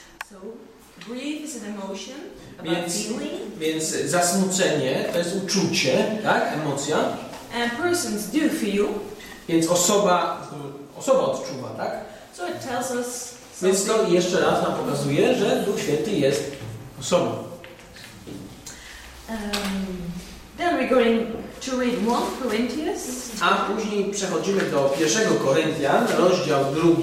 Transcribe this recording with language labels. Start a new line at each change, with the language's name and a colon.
English: So grief is an emotion, about feeling.
Polish: Więc zasmucenie to jest uczucie, tak? Emocja.
English: And persons do feel.
Polish: Więc osoba odczuwa, tak?
English: So it tells us.
Polish: Więc to jeszcze raz nam pokazuje, że Duch Święty jest osobą.
English: Then we're going to read 1 Corinthians.
Polish: A później przechodzimy do 1 Koryntian, rozdział 2.